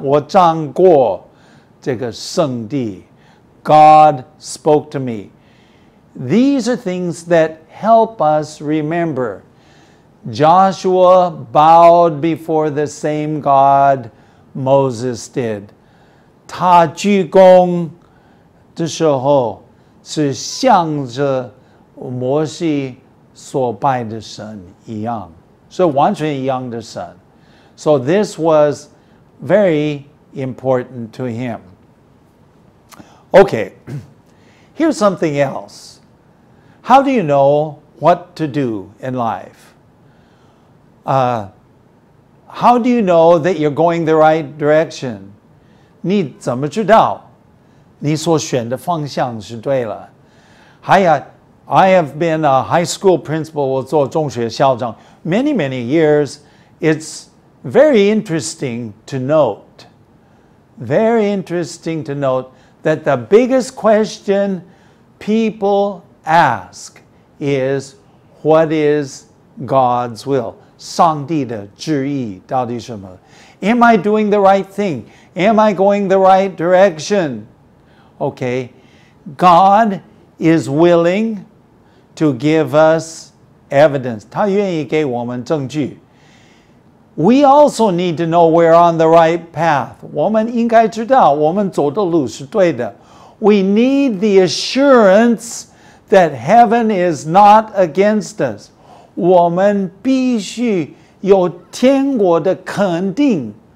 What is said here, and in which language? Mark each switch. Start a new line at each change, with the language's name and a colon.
Chinese: 我站过这个圣地.
English: God spoke to me. These are things that help us remember Joshua bowed before the same God Moses did.
Chinese: 他鞠躬的时候是向着摩西所拜的神一样，是完全一样的神。
English: So this was very important to him. Okay, here's something else. How do you know what to do in life? How do you know that you're going the right direction?
Chinese: 你怎么知道你所选的方向是对了？还有
English: I have been a high school principal,
Chinese: 我做中学校长
English: many, many years. It's very interesting to note, very interesting to note that the biggest question people ask is, what is God's will?
Chinese: 上帝的旨意到底什么？
English: Am I doing the right thing? Am I going the right direction? Okay, God is willing... to give us evidence.
Chinese: 他愿意给我们证据。
English: We also need to know we're on the right path.
Chinese: 我们应该知道我们走的路是对的。
English: We need the assurance that heaven is not against us.
Chinese: 我们必须有天国的肯定。